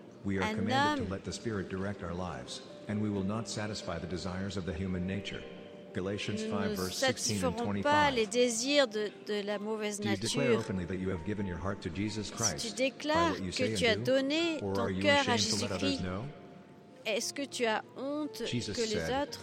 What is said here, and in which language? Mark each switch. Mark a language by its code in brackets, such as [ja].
[en] We are commanded to let the Spirit direct our lives, and we will not satisfy the desires of the human nature. [fr] Galatians 5, verse 16 and 25. Nous ne satisferons pas les désirs de la mauvaise nature. [en] Do you declare openly that you have given your heart to Jesus Christ? [fr] Tu déclares que tu as donné ton cœur à Jésus-Christ? Est-ce que tu as honte que les autres